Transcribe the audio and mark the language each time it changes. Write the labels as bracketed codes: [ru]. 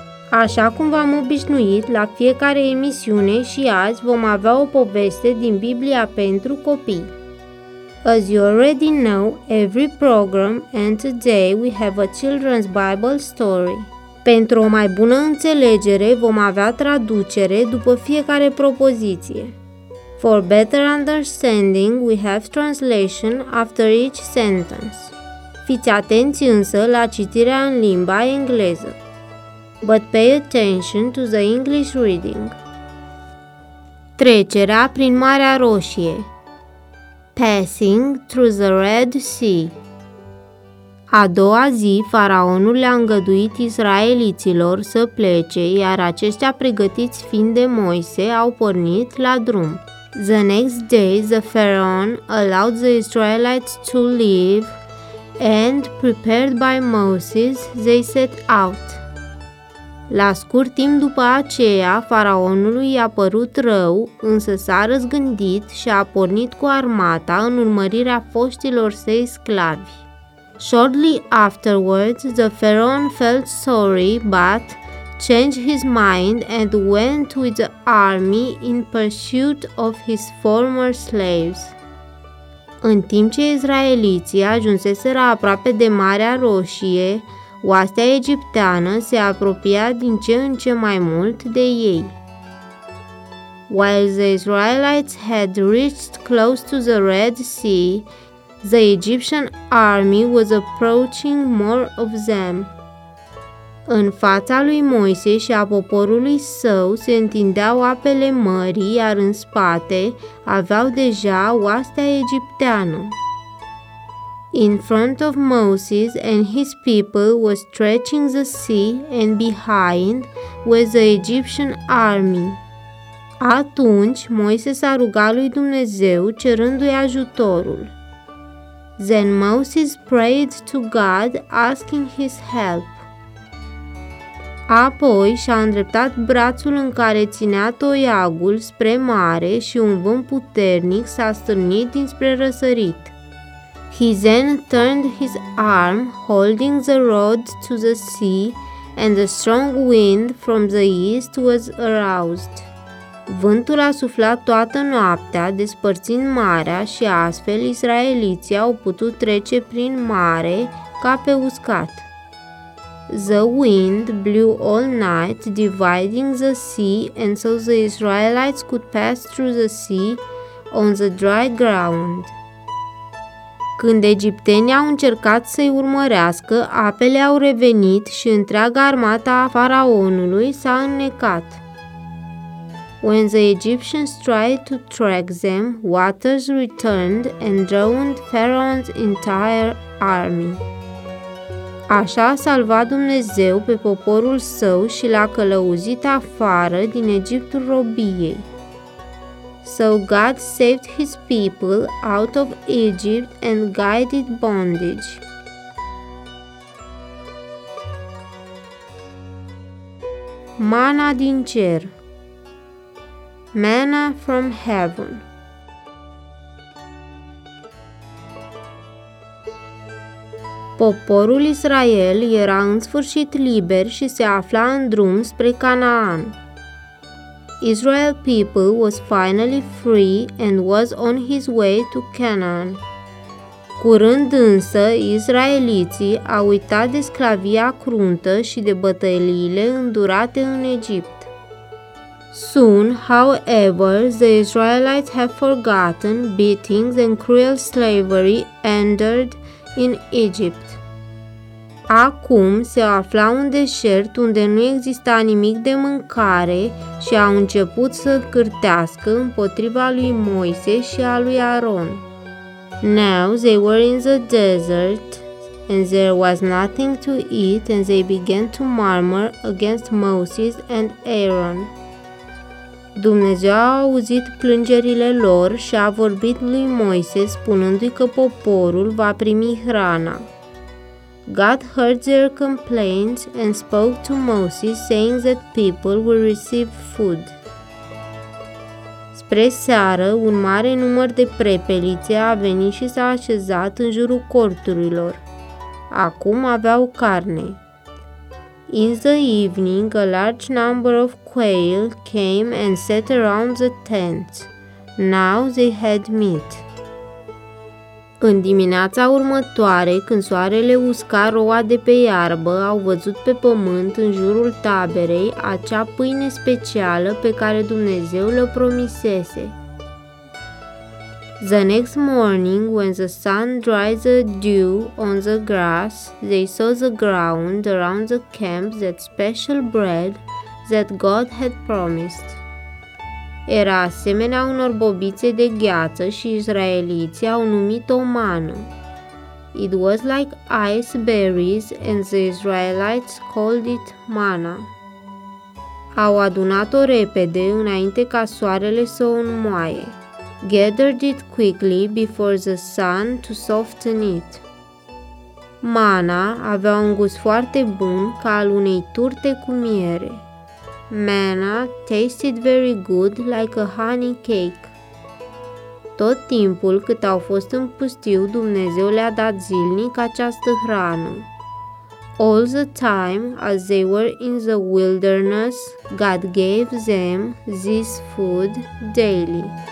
[ro] Așa cum v-am obișnuit, la fiecare emisiune și azi vom avea o poveste din Biblia pentru copii. [en] As you already know, every program and today we have a children's Bible story. [ro] Pentru o mai bună înțelegere, vom avea traducere după fiecare propoziție. [en] For better understanding, we have translation after each sentence. [ro] Fiți atenți însă la citirea în limba engleză. [en] But pay attention to the English reading. [ro] Trecerea prin Marea Roșie. [en] Passing through the Red Sea. [ro] A doua zi, faraonul le-a îngăduit israeliților să plece, iar aceștia, pregătiți fiind de Moise, au pornit la drum. [en] The next day, the pharaoh allowed the Israelites to leave and, prepared by Moses, they set out. [ro] La scurt timp după aceea, faraonului i-a părut rău, însă s-a răzgândit și a pornit cu armata în urmărirea foștilor săi sclavi. [en] Shortly afterwards, the pharaoh felt sorry, but changed his mind and went with the army in pursuit of his former slaves. [ro] În timp ce israeliții ajunseseră aproape de Marea Roșie, oastea egipteană se apropia din ce în ce mai mult de ei. [en] While the Israelites had reached close to the Red Sea, the Egyptian army was approaching more of them. [ro] În fața lui Moise și a poporului său se întindeau apele mării, iar în spate aveau deja oastea egipteană. [en] In front of Moses and his people was stretching the sea and behind was the Egyptian army. [ro] Atunci, Moise s-a rugat lui Dumnezeu cerându-i ajutorul. [en] Then Moses prayed to God asking his help. [ro] Apoi și-a îndreptat brațul în care ținea toiagul spre mare și un vânt puternic s-a stârnit dinspre răsărit. [en] He then turned his arm, holding the rod to the sea, and a strong wind from the east was aroused. [ro] Vântul a suflat toată noaptea, despărțind marea și astfel israeliții au putut trece prin mare ca pe uscat. [en] The wind blew all night, dividing the sea, and so the Israelites could pass through the sea on the dry ground. [ro] Când egiptenii au încercat să-i urmărească, apele au revenit și întreaga armată a faraonului s-a înnecat. [en] When the Egyptians tried to track them, waters returned and drowned Pharaoh's entire army. [ro] Așa a salvat Dumnezeu pe poporul său și l-a călăuzit afară din Egiptul robiei. [en] So God saved his people out of Egypt and guided bondage. [ro] Mana din cer. [en] Manna from heaven. [ro] Poporul Israel era în sfârșit liber și se afla în drum spre Canaan. [en] Israel people was finally free and was on his way to Canaan. [ro] Curând însă, israeliții au uitat de sclavia cruntă și de bătăliile îndurate în Egipt. [en] Soon, however, the Israelites have forgotten beatings and cruel slavery endured in Egypt. [ro] Acum se afla un deșert unde nu exista nimic de mâncare și au început să cârtească împotriva lui Moise și a lui Aron. [en] Now they were in the desert and there was nothing to eat and they began to murmur against Moses and Aaron. [ro] Dumnezeu a auzit plângerile lor și a vorbit lui Moise spunându-i că poporul va primi hrana. [en] God heard their complaints and spoke to Moses, saying that people will receive food. [ro] Spre seară, un mare număr de prepelițe a venit și s-a așezat în jurul corturilor. Acum aveau carne. [en] In the evening, a large number of quail came and sat around the tents. Now they had meat. [ro] În dimineața următoare, când soarele usca roua de pe iarbă, au văzut pe pământ, în jurul taberei, acea pâine specială pe care Dumnezeu le-o promisese. [en] The next morning, when the sun dried the dew on the grass, they saw the ground around the camp that special bread that God had promised. [ro] Era asemenea unor bobițe de gheață și israeliții au numit-o mană. [en] It was like ice berries and the Israelites called it manna. [ro] Au adunat-o repede înainte ca soarele să o înmoaie. [en] Gathered it quickly before the sun to soften it. [ro] Mana avea un gust foarte bun ca al unei turte cu miere. [en] Manna tasted very good, like a honey cake. [ro] Tot timpul cât au fost în pustiu, Dumnezeu le-a dat zilnic această hrană. [en] All the time, as they were in the wilderness, God gave them this food daily.